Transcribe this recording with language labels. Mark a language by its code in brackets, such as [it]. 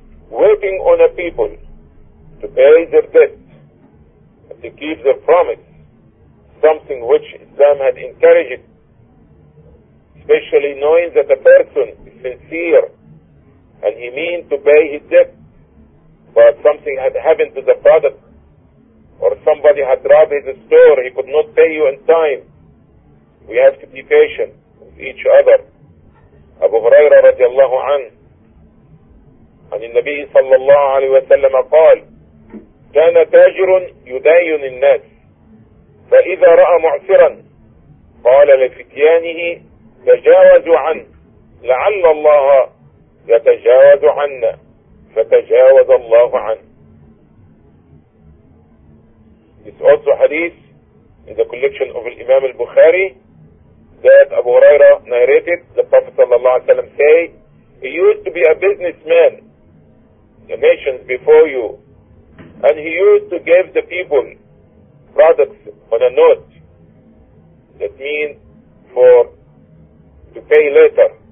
[en] Waiting on a people to pay their debt and to keep their promise, something which Islam had encouraged, especially knowing that a person is sincere and he means to pay his debt, but something had happened to the product or somebody had robbed his store, he could not pay you in time. We have to be patient with each other. Abu Huraira radiallahu anhu, [ar] عن النبي صلى الله عليه وسلم قال كان تاجر يداين الناس فإذا رأى معسرا قال لفتيانه تجاوزوا عنه لعل الله يتجاوز عنا, فتجاوز الله عنه. [en] It's also hadith in the collection of Imam al-Bukhari that Abu Huraira narrated, the Prophet sallallahu alayhi wa sallam say, he used to be a businessman, the nations before you, and he used to give the people products on a note, that means for to pay later.